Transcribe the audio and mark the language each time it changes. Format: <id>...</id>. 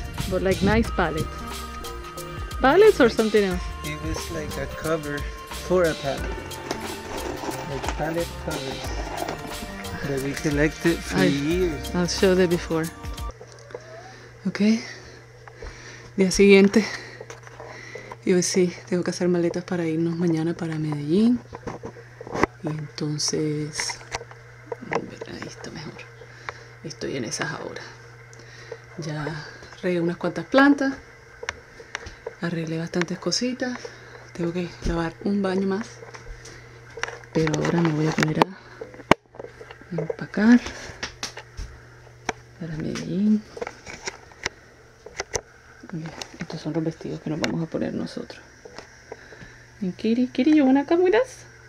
<en>But like nice pallets. Pallets or something else? It was like a cover for a pallet. Like pallet covers that we collected for years. I'll show the before. Okay.</en> <es>Día siguiente, y hoy sí, tengo que hacer maletas para irnos mañana para Medellín. Y entonces, ahí está mejor. Estoy en esas ahora. Ya regué unas cuantas plantas, arreglé bastantes cositas. Tengo que lavar un baño más, pero ahora me voy a poner a empacar para Medellín. Estos son los vestidos que nos vamos a poner nosotros.</es> <en>And Kitty, Kitty, you wanna come with us?</en>